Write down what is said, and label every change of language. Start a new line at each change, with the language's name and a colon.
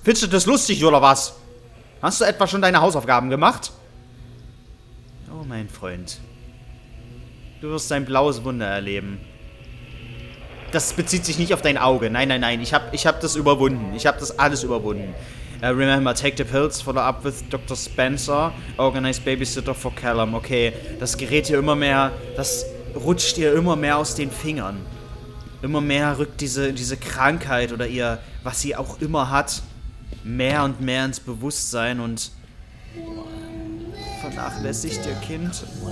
German: Findest du das lustig, oder was? Hast du etwa schon deine Hausaufgaben gemacht? Oh, mein Freund. Du wirst ein blaues Wunder erleben. Das bezieht sich nicht auf dein Auge. Nein, nein, nein. Ich hab das überwunden. Ich hab das alles überwunden.
English: Remember, take the pills, follow up with Dr. Spencer. Organize babysitter for Callum.
German: Okay, das gerät dir immer mehr... Das rutscht dir immer mehr aus den Fingern. Immer mehr rückt diese Krankheit oder ihr, was sie auch immer hat, mehr und mehr ins Bewusstsein und vernachlässigt ihr Kind.